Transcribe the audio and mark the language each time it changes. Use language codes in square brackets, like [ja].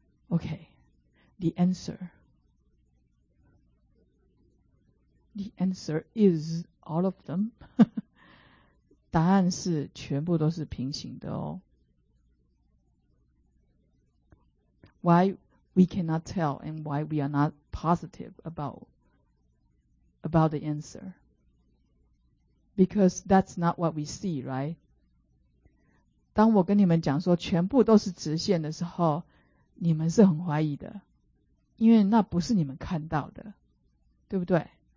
[en] OK, the answer. The answer is all of them. [zh] 答案是全部都是平行的哦。 [en] Why we cannot tell and why we are notpositive about the answer, because that's not what we see, right? [zh] 当我跟你们讲说全部都是直线的时候，你们是很怀疑的，因为那不是你们看到的，对不对？